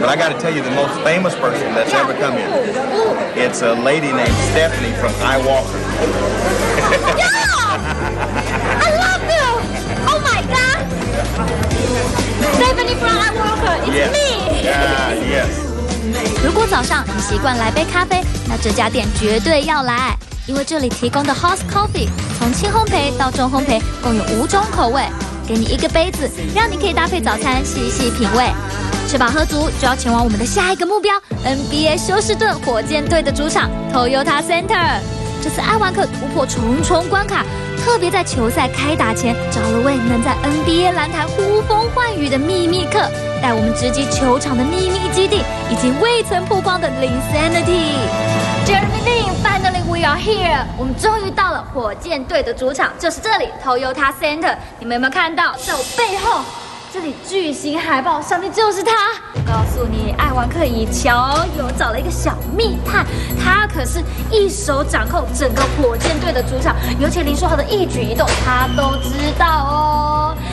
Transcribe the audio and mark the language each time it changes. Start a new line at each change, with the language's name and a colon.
English: but I got to tell you the most famous person that's ever come in. It's a lady named Stephanie from iWalker. Yeah, I love you. Oh my God, Stephanie from iWalker, it's yes. me. Yeah.
Chinese: 如果早上你习惯来杯咖啡，那这家店绝对要来。因为这里提供的 House Coffee 从轻烘焙到重烘焙，共有五种口味，给你一个杯子，让你可以搭配早餐细细品味。吃饱喝足，就要前往我们的下一个目标 ——NBA 休斯顿火箭队的主场 Toyota Center。这次艾瓦克突破重重关卡，特别在球赛开打前找了位能在 NBA 篮坛呼风唤雨的秘密客，带我们直击球场的秘密基地以及未曾曝光的 Linsanity。
English: Jeremy Lin, finally we are here.
Chinese: 我们终于到了火箭队的主场，就是这里 Toyota Center。你们有没有看到，在我背后，这里巨型海报上面就是他。我告诉你，艾瓦克已乔有找了一个小密探，他可是一手掌控整个火箭队的主场，尤其林书豪的一举一动，他都知道哦。